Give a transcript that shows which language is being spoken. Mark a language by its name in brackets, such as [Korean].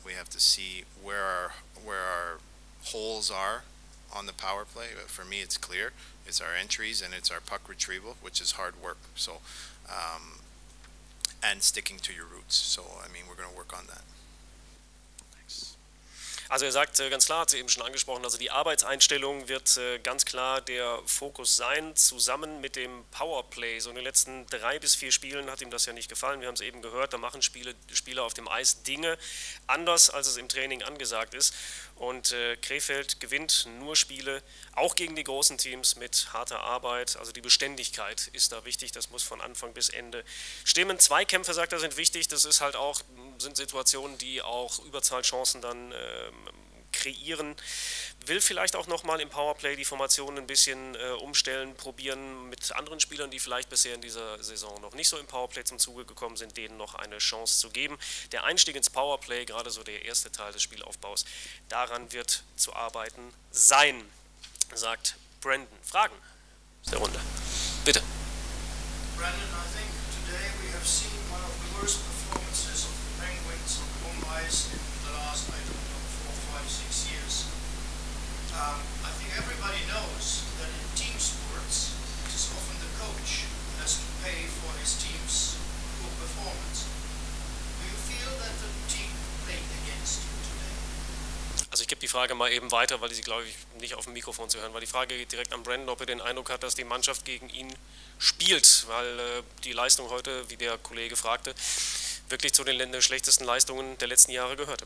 [English] We have to see where our holes are on the power play. But for me, it's clear. It's our entries and it's our puck retrieval, which is hard work. So, and sticking to your roots. So, I mean, we're going to work on that. [German] Also er sagt ganz klar, hat sie eben schon angesprochen, also die Arbeitseinstellung wird ganz klar der Fokus sein, zusammen mit dem Powerplay. So in den letzten 3 bis 4 Spielen hat ihm das ja nicht gefallen, wir haben es eben gehört, da machen Spieler auf dem Eis Dinge anders, als es im Training angesagt ist. Und Krefeld gewinnt nur Spiele, auch gegen die großen Teams, mit harter Arbeit. Also die Beständigkeit ist da wichtig, das muss von Anfang bis Ende stimmen. Zweikämpfe, sagt er, sind wichtig, das ist halt auch, sind Situationen, die auch Überzahlchancen dann kreieren. Will vielleicht auch nochmal im Powerplay die Formation ein bisschen umstellen, probieren mit anderen Spielern, die vielleicht bisher in dieser Saison noch nicht so im Powerplay zum Zuge gekommen sind, denen noch eine Chance zu geben. Der Einstieg ins Powerplay, gerade so der erste Teil des Spielaufbaus, daran wird zu arbeiten sein, sagt Brandon. Fragen? Aus der Runde. Bitte. [English] Brandon, I think today we have seen one of the worst performances of the Penguins on home ice in the last, I don't know, 4, 5, 6 years. I think everybody knows that in team sports, it is often the coach who has to pay for his team's poor performance. Do you feel that the team played against you today? [German] Also ich gebe die Frage mal eben weiter, weil sie, glaube ich, nicht auf dem Mikrofon zu hören, weil die Frage geht direkt an Brandon, ob er den Eindruck hat, dass die Mannschaft gegen ihn spielt, weil die Leistung heute, wie der Kollege fragte, wirklich zu den schlechtesten Leistungen der letzten Jahre gehörte.